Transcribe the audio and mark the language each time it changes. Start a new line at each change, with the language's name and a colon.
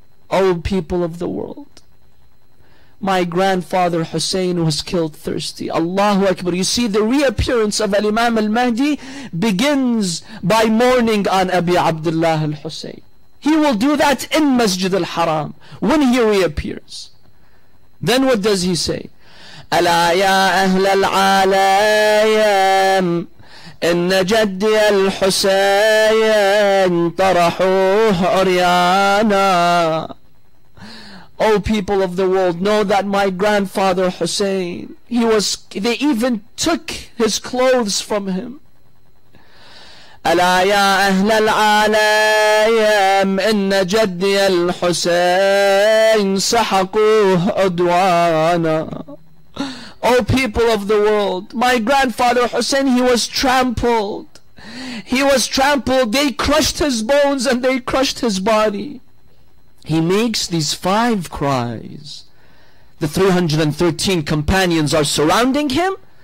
English: Oh people of the world, my grandfather Hussein was killed thirsty. Allahu Akbar. You see, the reappearance of Al-Imam Al-Mahdi begins by mourning on Abi Abdullah Al-Hussein. He will do that in Masjid Al-Haram when he reappears. Then what does he say?
Arabic: ألا يا أهل العالم إن جدي الحسين طرحوه عريانا.
English: O people of the world, know that my grandfather Hussein, they even took his clothes from him.
Arabic: ألا يا أهل العالم إن جدي الحسين سحقوه عدوانا.
English: Oh people of the world, my grandfather Hussein, he was trampled. He was trampled. They crushed his bones and they crushed his body. He makes these five cries. The 313 companions are surrounding him.